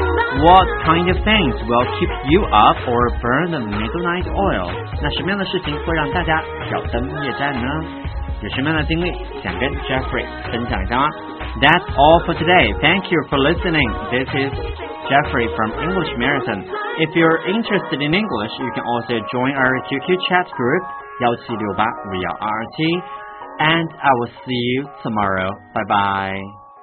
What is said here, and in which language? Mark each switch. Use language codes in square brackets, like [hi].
[en] What kind of things will keep you up or burn the midnight oil? [zh] 那什么样的事情会让大家挑灯夜战呢？有什么样的经历想跟 Jeffrey 分享一下吗？ [en] That's all for today. Thank you for listening. This is Jeffrey from English Marathon. If you're interested in English, you can also join our QQ chat group 1768-5127. And I will see you tomorrow. Bye-bye.